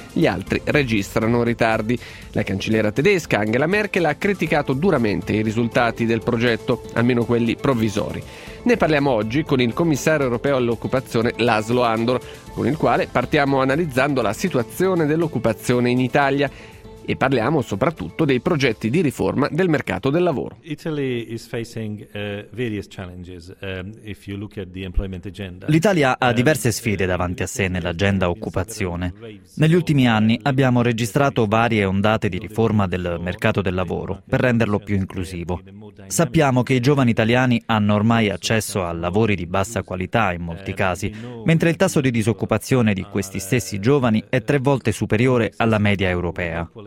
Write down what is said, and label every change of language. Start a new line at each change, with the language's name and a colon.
Italian: Gli altri registrano ritardi. La cancelliera tedesca Angela Merkel ha criticato duramente i risultati del progetto, almeno quelli provvisori. Ne parliamo oggi con il commissario europeo all'occupazione Laszlo Andor, con il quale partiamo analizzando la situazione dell'occupazione in Italia. E parliamo soprattutto dei progetti di riforma del mercato del lavoro.
English: Italy is facing various challenges if you look at the employment agenda.
Italian: L'Italia ha diverse sfide davanti a sé nell'agenda occupazione. Negli ultimi anni abbiamo registrato varie ondate di riforma del mercato del lavoro per renderlo più inclusivo. Sappiamo che i giovani italiani hanno ormai accesso a lavori di bassa qualità in molti casi, mentre il tasso di disoccupazione di questi stessi giovani è 3 volte superiore alla media europea.